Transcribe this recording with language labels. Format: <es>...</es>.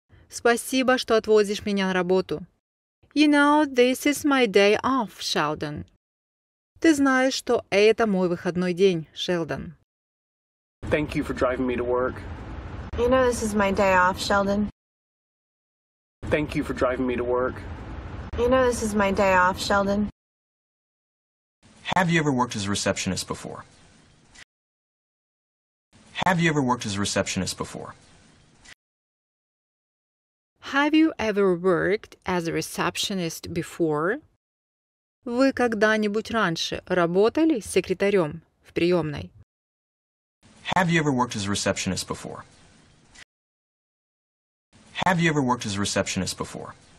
<ru>Спасибо, что отвозишь меня на работу.</ru> <en>You know this is my day off, Sheldon.</en> <ru>Ты знаешь, что это мой выходной день, Sheldon.</ru> <en>Thank you for driving me to work. You know this is my day off, Sheldon. Thank you for driving me to work. You know this is my day off, Sheldon. Have you ever worked as a receptionist before? Have you ever worked as a receptionist before? Have you ever worked as a receptionist before?</en> <ru>Вы когда-нибудь раньше работали секретарем в приемной?</ru> <en>Have you ever worked as a receptionist before? Have you ever worked as a receptionist before?</en>